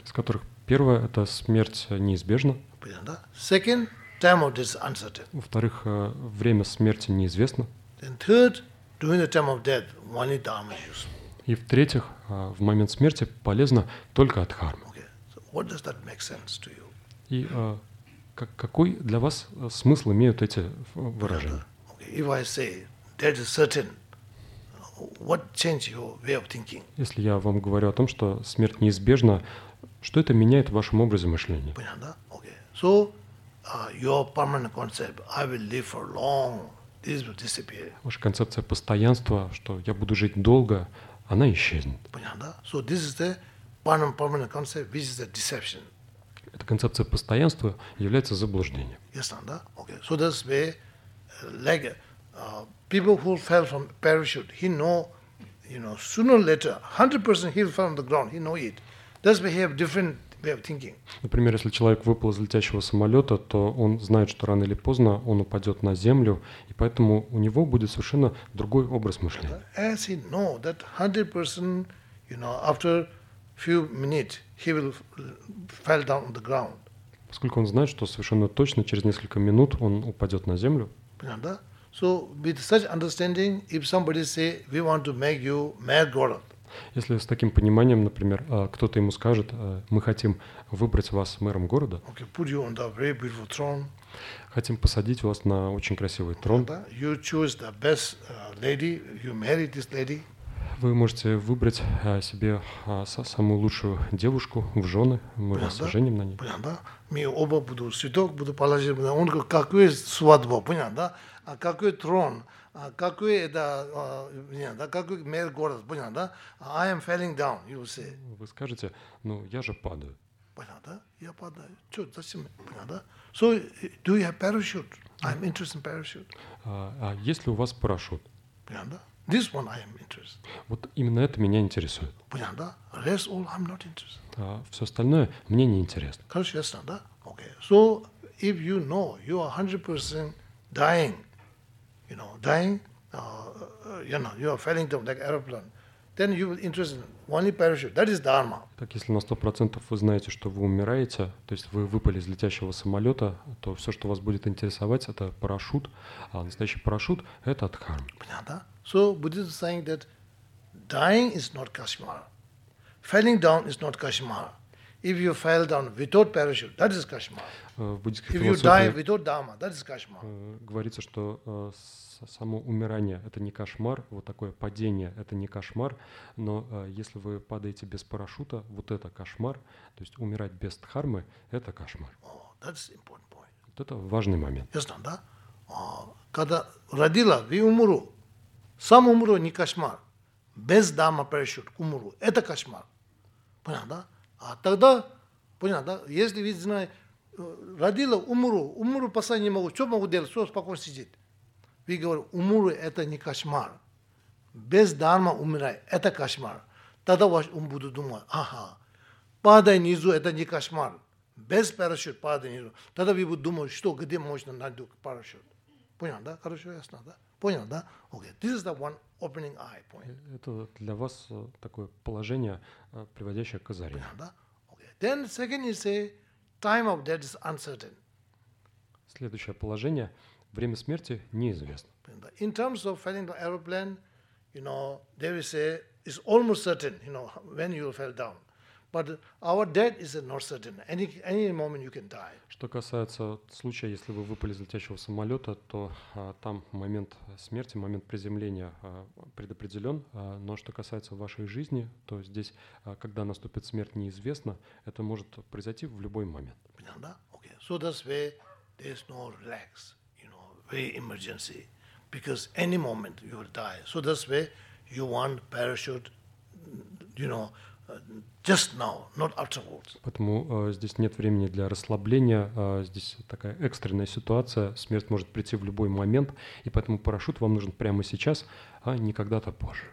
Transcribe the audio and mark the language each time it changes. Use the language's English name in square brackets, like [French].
[Russian] Из которых первое – это смерть неизбежна. Понятно? [English] Second, time of death is uncertain. [Russian] Во-вторых, время смерти неизвестно. [English] Then third, during the time of death, only dharma is useful. [Russian] И в-третьих, в момент смерти полезно только адхарма. [English] Okay. So what does that make sense to you? [Russian] И какой для вас смысл имеют эти выражения? [English] Okay. If I say that is certain, what changes your way of thinking? [Russian] Если я вам говорю о том, что смерть неизбежна, что это меняет в вашем образе мышления? Понятно? Okay. [English] So your permanent concept, I will live for long, this will disappear. [Russian] Ваша концепция постоянства, что я буду жить долго, она исчезнет. Понятно? [English] So this is the permanent concept, which is a deception. [Russian] Эта концепция постоянства является заблуждением. Ясно, да? Okay. [English] So this way, like people who fell from parachute, he know, you know, sooner or later, 100% he'll fall on the ground, he know it. That's why he have different way of thinking. [Russian] Например, если человек выпал из летящего самолета, то он знает, что рано или поздно он упадет на землю, и поэтому у него будет совершенно другой образ мышления. [English] As he know that 100%, you know, after few minutes he will fall down on the ground. [Russian] Поскольку он знает, что совершенно точно через несколько минут он упадет на землю. Понятно? [English] So with such understanding, if somebody say we want to make you mad god. [Russian] Если с таким пониманием, например, кто-то ему скажет, мы хотим выбрать вас мэром города, [English] okay, put you on the very beautiful throne. [Russian] Хотим посадить вас на очень красивый трон. [English] You choose the best lady, you marry this lady. [Russian] Вы можете выбрать себе самую лучшую девушку в жены, мы вас женим на ней. Понятно? Мы оба будут святок, будут положить, он говорит, какой свадьба, понятно? А какой трон? А какой это, понятно, какой мэр города, понятно, да? [English] I am falling down, you will say. [Russian] Вы скажете, ну я же падаю. Понятно, да? Я падаю. Что, зачем? Понятно, да? [English] So, do you have parachute? I am interested in parachute. [Russian] А есть ли у вас парашют? Понятно, да? [English] This one I am interested. [Russian] Вот именно это меня интересует. Понятно, да? [English] Rest all I'm not interested. [Russian] Все остальное мне не интересно. Короче, ясно, да? Okay. [English] So, if you know you are 100% dying, you know, dying, you know, you are falling down like airplane, then you will interest in only parachute. That is dharma. [Russian] Так, если на 100% вы знаете, что вы умираете, то есть вы выпали из летящего самолета, то все, что вас будет интересовать, это парашют. А настоящий парашют – это адхарма. Понятно? [English] So Buddhism is saying that dying is not kashmara. Falling down is not kashmara. If you fell down without parachute, that is kashmara. If you die without dharma, that is kashmara. [Russian] Говорится, что само умирание – это не кошмар, вот такое падение – это не кошмар, но если вы падаете без парашюта, вот это кошмар, то есть умирать без дхармы – это кошмар. [English] Oh, that's important point. [Russian] Вот это важный момент. Ясно, да? Когда родила, вы умру. Сам умру – не кошмар. Без дхармы парашют – умру. Это кошмар. Понятно, да? А тогда, понятно, да? Если вы знаете, родила, умру. Умру, постоянно не могу. Что могу делать? Все спокойно сидит. Вы говорите, умру – это не кошмар. Без дхармы умирай – это кошмар. Тогда ваш ум будет думать, ага, падай внизу – это не кошмар. Без парашют падай внизу. Тогда вы будете думать, что, где можно найти парашют. Понял, да? Хорошо, ясно, да? Понял, да? [English] Okay. This is the one opening eye point. [Russian] Это для вас такое положение, приводящее к озарению. Понял, да? Okay. [English] Then second you say, time of death is uncertain. [Russian] Следующее положение – время смерти неизвестно. [English] In terms of falling down aeroplane, you know, they will say it's almost certain, you know, when you will fall down. But our death is not certain. Any moment you can die. [Russian] Что касается случая, если вы выпали из летящего самолета, то там момент смерти, момент приземления предопределен. Но что касается вашей жизни, то здесь, когда наступит смерть, неизвестно. Это может произойти в любой момент. Понятно, да? [English] Okay. So that's why there's no relax. Very emergency, because any moment you will die. So that's why you want parachute, you know, just now, not afterwards. [Russian] Поэтому здесь нет времени для расслабления. Здесь такая экстренная ситуация. Смерть может прийти в любой момент, и поэтому парашют вам нужен прямо сейчас, а не когда-то позже.